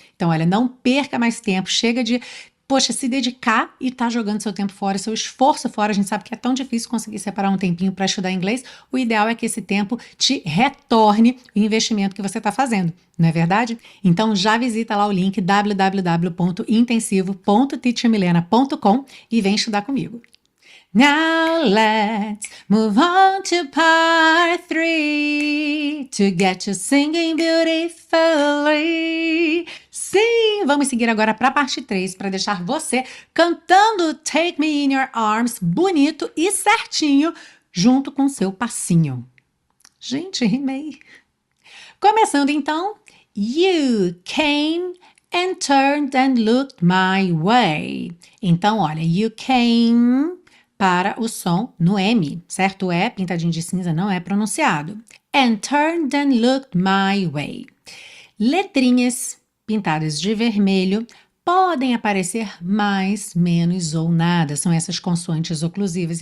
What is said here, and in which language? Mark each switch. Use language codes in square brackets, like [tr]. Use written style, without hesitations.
[pt] Então, olha, não perca mais tempo, chega de, poxa, se dedicar e tá jogando seu tempo fora, seu esforço fora. A gente sabe que é tão difícil conseguir separar um tempinho para estudar inglês. O ideal é que esse tempo te retorne o investimento que você está fazendo, não é verdade? Então já visita lá o link www.intensivo.teachmilena.com e vem estudar comigo. [en] Now let's move on to part three, to get you singing beautifully. [pt] Sim, vamos seguir agora para a parte 3, para deixar você cantando Take Me In Your Arms bonito e certinho, junto com seu passinho. Gente, rimei. Começando então, [en] you came and turned and looked my way. [pt] Então, olha, [en] you came [pt] para o som no M, certo? O E, pintadinho de cinza, não é pronunciado. [en] And turned and looked my way. [pt] Letrinhas pintadas de vermelho podem aparecer mais, menos ou nada, são essas consoantes oclusivas.